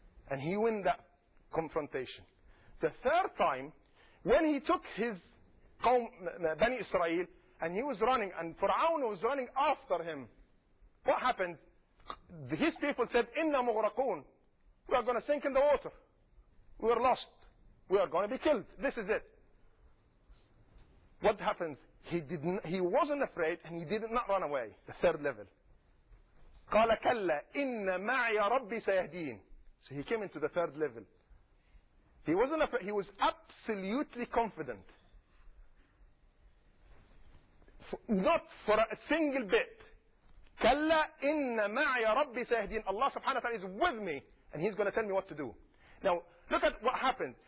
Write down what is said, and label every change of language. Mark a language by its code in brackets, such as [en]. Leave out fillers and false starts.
[en] And he won that confrontation. The third time, when he took his [ar] قوم بني إسرائيل, [en] and he was running, and Fir'aun was running after him, what happened? His people said, [ar] إنا مغرقون. [en] We are going to sink in the water. We are lost. We are going to be killed. This is it. What happens? He wasn't afraid, and he did not run away. The third level. [ar] قال كلا إن معي ربي سيهدين. [en] So he came into the third level. He was absolutely confident. Not for a single bit. [ar] كلا إن معي ربي سيهدين. [en] Allah subhanahu wa ta'ala is with me, and he's going to tell me what to do. Now look at what happened.